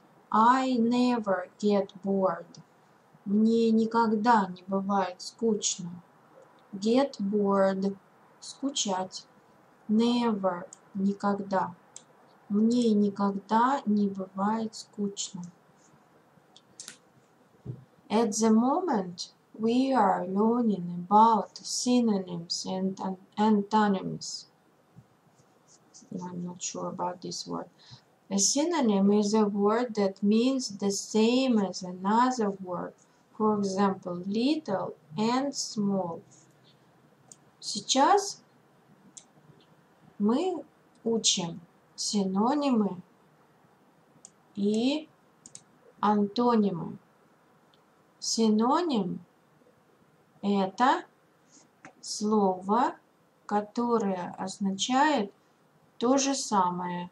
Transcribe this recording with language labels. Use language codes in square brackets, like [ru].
[en] I never get bored. [ru] Мне никогда не бывает скучно. [en] Get bored. [ru] Скучать. [en] Never. [ru] Никогда. Мне никогда не бывает скучно. [en] At the moment, we are learning about synonyms and antonyms. I'm not sure about this word. A synonym is a word that means the same as another word. For example, little and small. [ru] Сейчас мы учим синонимы и антонимы. Синоним – это слово, которое означает то же самое.